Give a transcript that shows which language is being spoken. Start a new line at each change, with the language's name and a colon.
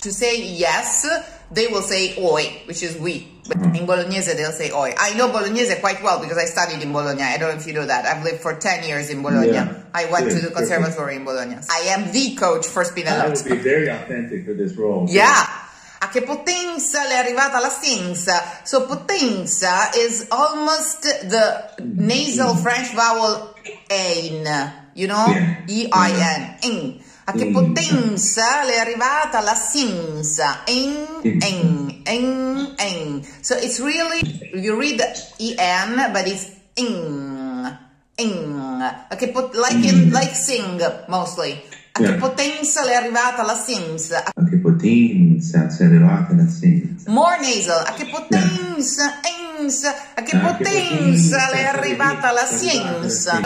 English: To say yes, they will say oi, which is we. But in Bolognese, they'll say oi. I know Bolognese quite well because I studied in Bologna. I don't know if you know that. I've lived for 10 years in Bologna. Yeah. I went to the conservatory in Bologna. I am the coach for Spinelloccio. That would be very authentic for this role. Okay? Yeah.
Italian: A che potenza le è arrivata la stinza?
English: So potenza is almost the nasal French vowel ein. You know? E-I-N. In.
Italian: A che potenza le è arrivata la sinza? Eng, eng, eng, eng.
English: So it's really, you read the en, but it's ing, ing. A che pot, like, in, like sing, mostly.
Italian: A che potenza le è arrivata la sinza? A che potenza le è arrivata la sinza?
English: More nasal.
Italian: A che potenza, ens, a che potenza le è arrivata la sinza?